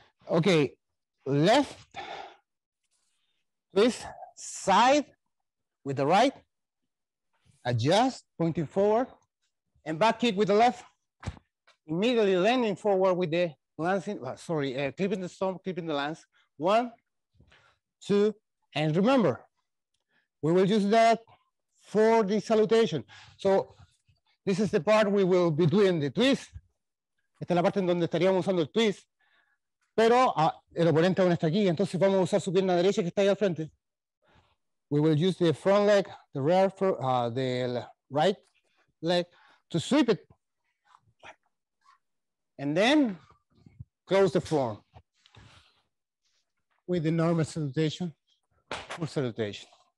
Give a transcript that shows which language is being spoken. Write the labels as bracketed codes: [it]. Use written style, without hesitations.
[en] Okay, left, this side with the right, adjust, pointing forward, and back kick with the left, immediately landing forward with the lancing, clipping the stone, clipping the lance. One, two, and remember, we will use that for the salutation. So this is the part we will be doing the twist. [es] Esta es la parte en donde estaríamos usando el twist, pero el oponente aún está aquí, entonces vamos a usar su pierna derecha que está ahí al frente. [en] We will use the front leg, the rear, the right leg to sweep it. And then close the form with the normal salutation, full salutation.